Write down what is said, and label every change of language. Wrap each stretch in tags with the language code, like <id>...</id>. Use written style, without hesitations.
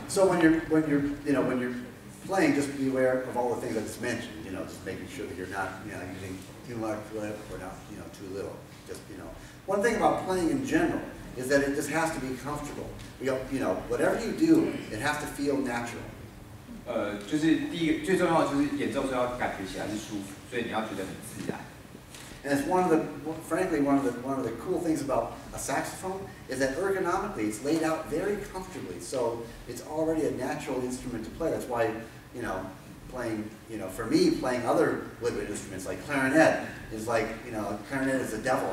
<en>So when you're playing, just be aware of all the things that's mentioned. You know, just making sure that you're not, you know, using too large clip or not, you know, too little. Just, you know, one thing about playing in general is that it just has to be comfortable. You know, whatever you do, it has to feel natural.</en> <zh>就是第一个最重要的就是演奏时候要感觉起来是舒服，所以你要觉得很自然。</zh> <en>And it's one of the cool things about a saxophone is that ergonomically it's laid out very comfortably, so it's already a natural instrument to play. That's why, you know, playing, you know, for me, playing other woodwind instruments like clarinet is like, you know, clarinet is the devil.</en>